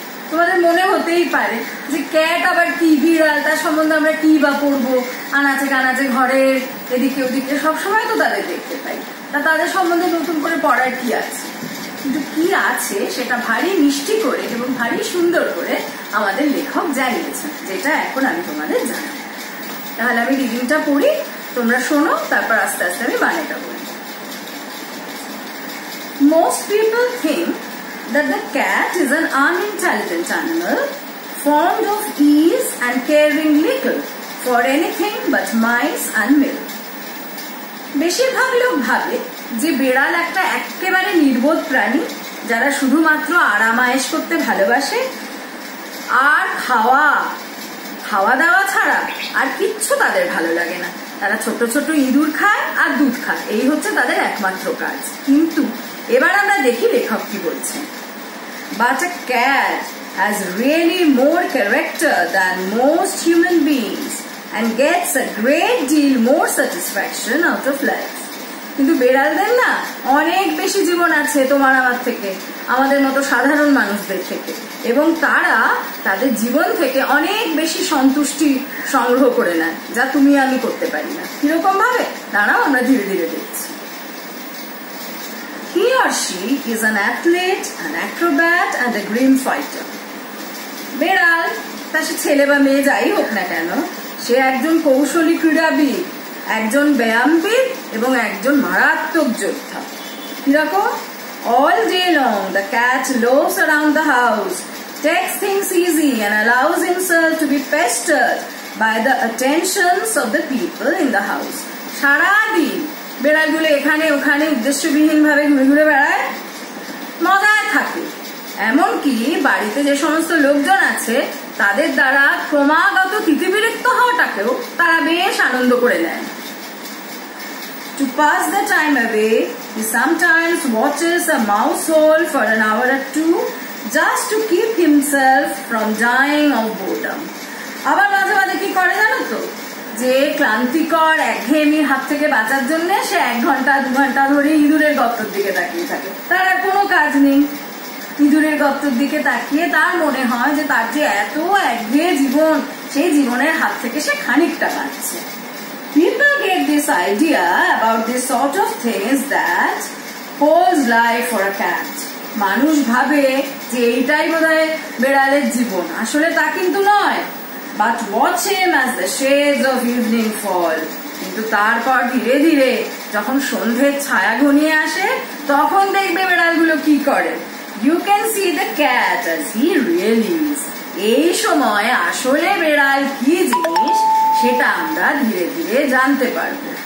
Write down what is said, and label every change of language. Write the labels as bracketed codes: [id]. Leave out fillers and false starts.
[bn] তোমাদের মনে হতেই পারে যে ক্যাট আবার কি বিড়াল, তার সম্বন্ধে আমরা কি বা পড়বো, আনাচে কানাচে ঘরে এদিকে ওদিকে সবসময় তো তাদের দেখতে পাই, তা তাদের সম্বন্ধে নতুন করে পড়ার কি আছে? কিন্তু কি আছে সেটা ভারী মিষ্টি করে এবং ভারী সুন্দর করে আমাদের লেখক জানিয়েছেন, যেটা এখন আমি তোমাদের জানাই। তাহলে আমি রিভিউটা পড়ি, তোমরা শোনো, তারপর আস্তে আস্তে আমি বানিটা বলি। [en] Most people think that the cat is an unintelligent animal, fond of ease and caring little for anything but mice and milk. [bn] বেশিরভাগ লোক ভাবে যে বিড়াল একটা একেবারে নির্বোধ প্রাণী, যারা শুধুমাত্র আরামায়েশ করতে ভালোবাসে আর খাওয়া, খাওয়া দাওয়া ছাড়া আর কিচ্ছু তাদের ভালো লাগে না। তারা ছোট ছোট ইঁদুর খায় আর দুধ খায়, এই হচ্ছে তাদের একমাত্র কাজ। কিন্তু এবার আমরা দেখি লেখক কি বলছেন। [en] But a cat has really more character than most human beings and gets a great deal more satisfaction out of life. [bn] কিন্তু বিড়ালদের না অনেক বেশি জীবন আছে তোমার আমার থেকে, আমাদের মতো সাধারণ মানুষদের থেকে, এবং তারা তাদের জীবন থেকে অনেক বেশি সন্তুষ্টি সংগ্রহ করে নেয় যা তুমি আমি করতে পারি না। কিরকম ভাবে দাঁড়াও, আমরা ধীরে ধীরে দেখছি। [en] He or she is an athlete, an acrobat, and a grim fighter. [bn] বেড়াল তা সে ছেলে বা মেয়ে যাই হোক না কেন, সে একজন কৌশলী ক্রীড়াবিদ, একজন ব্যায়ামবিদ এবং একজন মারাত্মক যোদ্ধা। কিরকম? [en] All day long, the cat loafs around the house, takes things easy and allows himself to be pestered by the attentions of the people in the house. [bn] সারাদিন বেড়ালগুলো এখানে ওখানে উদ্দেশ্যবিহীন ভাবে ঘুরে ঘুরে বেড়ায়, মজায় থাকে, এমনকি বাড়িতে যে সমস্ত লোকজন আছে তাদের দ্বারা ক্রমাগত তিতিবিরক্ত হওয়াটাকেও তারা বেশ আনন্দ করে নেয়। [en] To pass the time away he sometimes watches a mouse hole for an hour or two just to keep himself from dying of boredom. [bn] আবার মাঝে মাঝে কি করে জানো তো, যে ক্লান্তিকর একঘেয়েমির হাত থেকে বাঁচার জন্য সে এক ঘন্টা দু ঘন্টা ধরে ইঁদুরের গর্তের দিকে তাকিয়ে থাকে। তার আর কোনো কাজ নেই, ইঁদুরের গর্তের দিকে তাকিয়ে তার মনে হয় যে তার যে এত একঘেয়ে জীবন, সেই জীবনের হাত থেকে সে খানিকটা বাঁচছে। [en] People get this idea about this sort of things that holds life for a cat. [bn] মানুষ ভাবে যে এইটাই বোধ হয় বেড়ালের জীবন, আসলে তা কিন্তু নয়। [en] But watch him as the shades of evening fall. [bn] কিন্তু তারপর ধীরে ধীরে যখন সন্ধ্যের ছায়া ঘনিয়ে আসে তখন দেখবে বেড়ালগুলো কি করে। [en] You can see the cat as he really is. [bn] এই সময় আসলে বেড়াল কি জিনিস সেটা আমরা ধীরে ধীরে জানতে পারব।